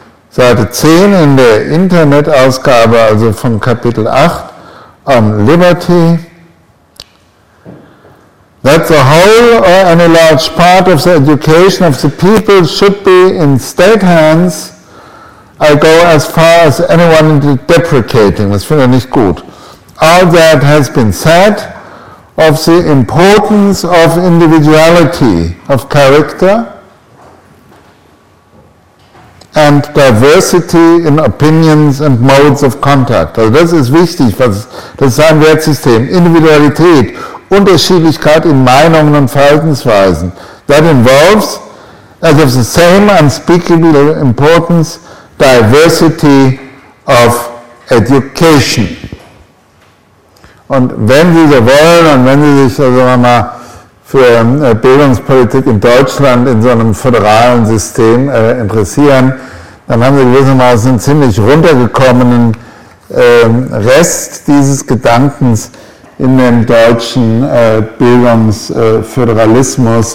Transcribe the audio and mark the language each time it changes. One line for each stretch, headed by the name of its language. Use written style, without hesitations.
German: Seite 10 in der Internetausgabe, also von Kapitel 8, on Liberty.
English: That the whole or any large part of the education of the people should be in state hands, I go as far as anyone deprecating.
German: Das finde ich nicht gut.
English: All that has been said of the importance of individuality, of character, and diversity in opinions and modes of contact.
German: Also das ist wichtig, das ist sein Wertsystem. Individualität, Unterschiedlichkeit in Meinungen und Verhaltensweisen.
English: That involves, as of the same unspeakable importance, diversity of education.
German: Und wenn Sie so wollen und wenn Sie sich, sagen wir mal, für Bildungspolitik in Deutschland in so einem föderalen System interessieren, dann haben Sie gewissermaßen einen ziemlich runtergekommenen Rest dieses Gedankens in dem deutschen Bildungsföderalismus.